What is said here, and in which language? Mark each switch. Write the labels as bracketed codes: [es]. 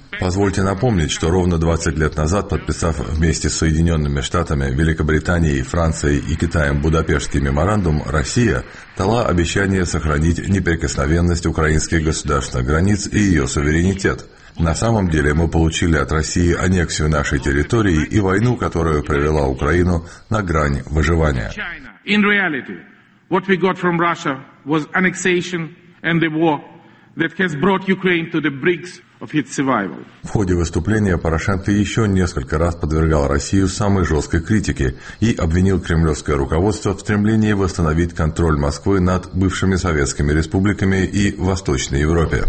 [ru] Позвольте напомнить, что ровно 20 лет назад, подписав вместе с Соединенными Штатами, Великобританией, Францией и Китаем Будапештский меморандум, Россия дала обещание сохранить неприкосновенность украинских государственных границ и ее суверенитет. На самом деле мы получили от России аннексию нашей территории и войну, которая привела Украину на грань выживания. [en] In reality, what we got from Russia was annexation and the war that has brought Ukraine to the brinks of its survival. [ru] В ходе выступления Порошенко еще несколько раз подвергал Россию самой жесткой критике и обвинил кремлевское руководство в стремлении восстановить контроль Москвы над бывшими советскими республиками и Восточной Европе.